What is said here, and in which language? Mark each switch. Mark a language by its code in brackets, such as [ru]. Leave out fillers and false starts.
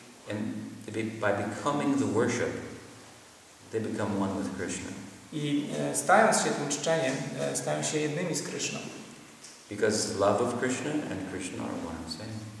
[en] And by becoming the worship, they become one with Krishna. [pl] I stając się tym czczeniem, stają się jednymi z Krishną. [en] Because love of Krishna and Krishna are one and the same.